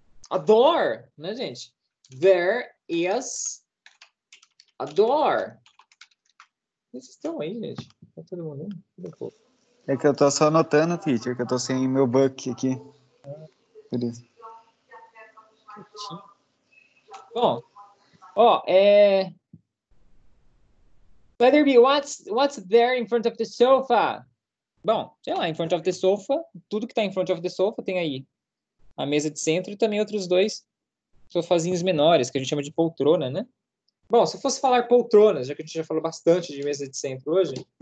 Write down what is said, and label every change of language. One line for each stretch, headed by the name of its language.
Portuguese: A door, né, gente?
English: There is a door.
Portuguese: Vocês estão aí, gente? Tá todo mundo indo? É que eu tô só anotando, teacher, que eu tô sem meu book aqui. Beleza.
English: Bom, Letter B, what's there in front of the sofa?
Portuguese: Bom, sei lá,
English: in front of the sofa,
Portuguese: tudo que tá in front of the sofa tem aí. A mesa de centro e também outros dois sofazinhos menores, que a gente chama de poltrona, né? Bom, se eu fosse falar poltronas, já que a gente já falou bastante de mesa de centro hoje.